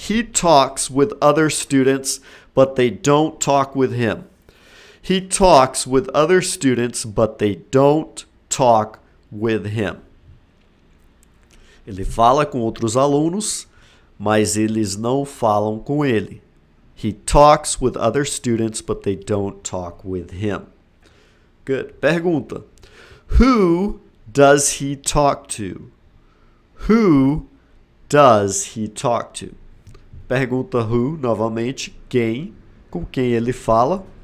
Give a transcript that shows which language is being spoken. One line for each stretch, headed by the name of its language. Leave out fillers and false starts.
English: He talks with other students, but they don't talk with him. He talks with other students, but they don't talk with him.
Portuguese: Ele fala com outros alunos, mas eles não falam com ele.
English: He talks with other students, but they don't talk with him. Good.
Portuguese: Pergunta.
English: Who does he talk to? Who does he talk to?
Portuguese: Pergunta who, novamente, quem, com quem ele fala?